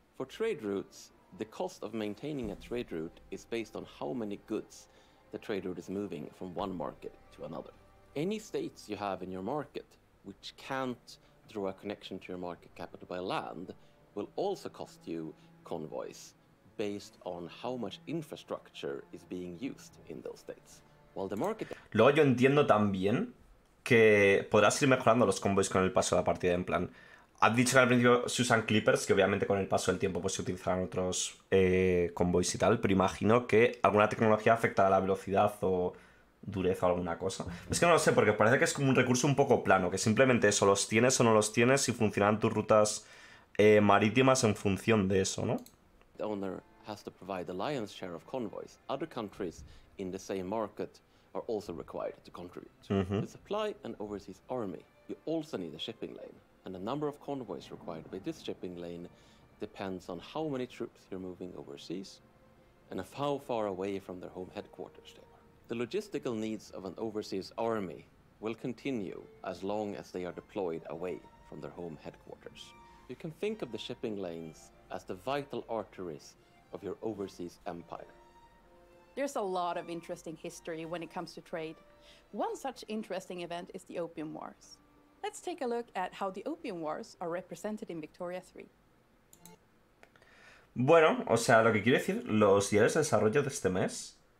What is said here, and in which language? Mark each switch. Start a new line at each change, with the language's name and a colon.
English: For trade routes, the cost of maintaining a trade route is based on how many goods the trade route is moving from one market to another. Any states you have in your market which can't draw a connection to your market capital by land will also cost you convoys based on how much infrastructure is being used in those states.
Spanish: Luego yo entiendo también que podrás ir mejorando los combos con el paso de la partida, en plan, has dicho que al principio se usan clippers, que obviamente con el paso del tiempo pues se utilizarán otros combos y tal, pero imagino que alguna tecnología afectará la velocidad o dureza o alguna cosa. Es que no lo sé, porque parece que es como un recurso un poco plano, que simplemente eso, los tienes o no los tienes, y funcionan tus rutas marítimas en función de eso, ¿no?
English: The owner has to provide the lion's share of convoys. Other countries in the same market are also required to contribute. Mm-hmm. To supply an overseas army, you also need a shipping lane. And the number of convoys required by this shipping lane depends on how many troops you're moving overseas and of how far away from their home headquarters they are. The logistical needs of an overseas army will continue as long as they are deployed away from their home headquarters. You can think of the shipping lanes as the vital arteries of your overseas empire. There's a lot of interesting history when it comes to trade. One such interesting event is the Opium Wars. Let's take a look at how the Opium Wars are represented in Victoria 3.
Spanish: Bueno, o sea, lo que quiero decir, los diarios de desarrollo de este mes...